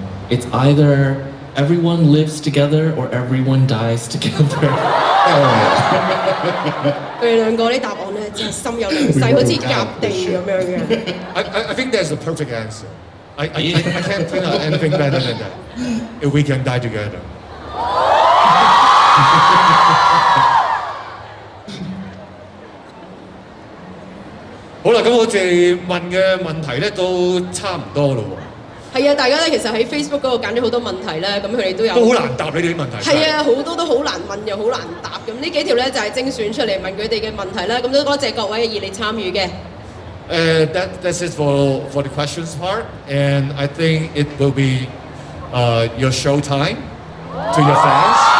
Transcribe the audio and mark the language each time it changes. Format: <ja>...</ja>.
<en>It's either everyone lives together or everyone dies together.</en> <yue>佢哋兩個啲答案咧，真係心有靈犀，好似夾地咁樣嘅。</yue> <en>I think that's the perfect answer. I can't think of anything better than that. If we can die together.</en> <yue>好啦，咁我哋問嘅問題咧都差唔多咯喎。係啊，大家咧其實喺 Facebook 嗰度揀咗好多問題咧，咁佢哋都有都好難答你哋啲問題。係啊，好多都好難問又好難答，咁呢幾條咧就係精選出嚟問佢哋嘅問題啦。咁都多謝各位熱烈參與嘅。</yue> <en>That's it for the questions part, and I think it will be your show time to your fans.</en>